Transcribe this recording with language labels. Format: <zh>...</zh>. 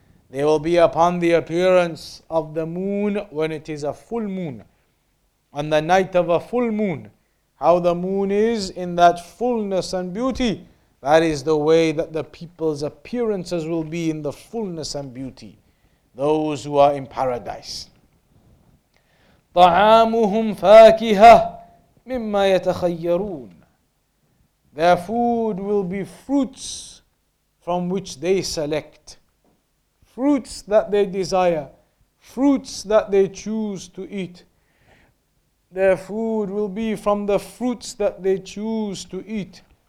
<en>They will be upon the appearance of the moon when it is a full moon. On the night of a full moon, how the moon is in that fullness and beauty, that is the way that the people's appearances will be in the fullness and beauty, those who are in paradise.</en> <ar>طعامهم فاكهة مما يتخيرون.</ar> <en>Their food will be fruits from which they select, fruits that they desire, fruits that they choose to eat. Their food will be from the fruits that they choose to eat.</en>